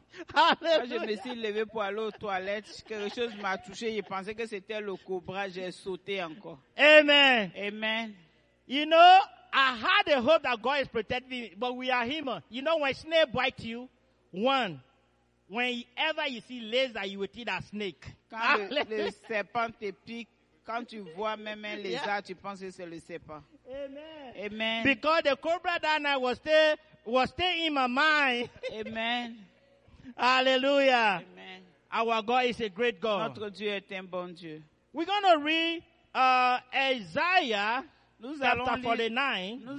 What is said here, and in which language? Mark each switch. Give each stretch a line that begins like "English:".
French: Quand je me suis levé pour aller aux toilettes, quelque chose m'a touché. Je pensais que c'était le cobra. J'ai sauté encore. Amen. Amen.
English: You know, I had a hope that God is protecting me, but we are human. You know, when snake bites you, whenever you see laser, you will see that snake.
French: Quand le serpent te pique, quand tu vois même un laser, tu penses que c'est le serpent. Amen. Amen.
English: Because the cobra that night was staying in my mind. Amen. Hallelujah. Amen. Our God is a great God.
French: Notre Dieu est un bon Dieu.
English: We're going to read Isaiah chapter 49, verse 15.